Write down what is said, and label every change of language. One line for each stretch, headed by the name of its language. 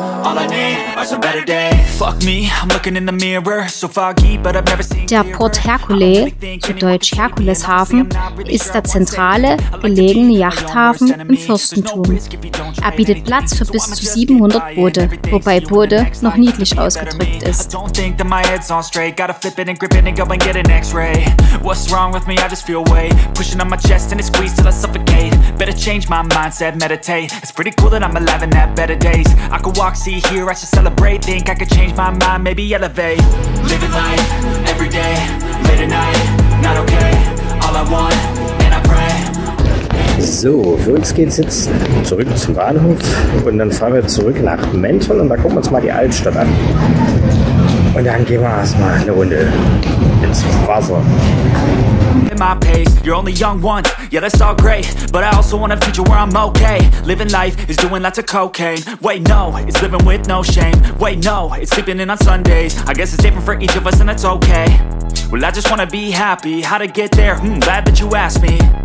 English: All I need are some better days. Fuck me, I'm looking in the mirror, so foggy, but I've never seen.
German: Der Port Hercule, zu Deutsch Herkuleshafen, ist der zentrale, gelegene Yachthafen im Fürstentum. Er bietet Platz für bis zu 700 Boote, wobei Boote noch niedlich ausgedrückt ist.
English: What's wrong with me? I just feel weight pushing on my chest and it squeezes till I suffocate. Better change my mindset, meditate. It's pretty cool that I'm alive and have better days. I could walk, see, hear, I should celebrate. Think I could change my mind, maybe elevate. Living life, every day, late at night, not okay. All I want, and I pray.
German: So, für uns geht's jetzt zurück zum Bahnhof und dann fahren wir zurück nach Menton und da gucken wir uns mal die Altstadt an. Und dann gehen wir erstmal eine Runde ins Wasser.
English: In my pace, you're only young once. Yeah, that's all great, but I also want a future where I'm okay. Living life is doing lots of cocaine. Wait, no, it's living with no shame. Wait, no, it's sleeping in on Sundays. I guess it's different for each of us and it's okay. Well, I just wanna be happy. How to get there? Glad that you asked me.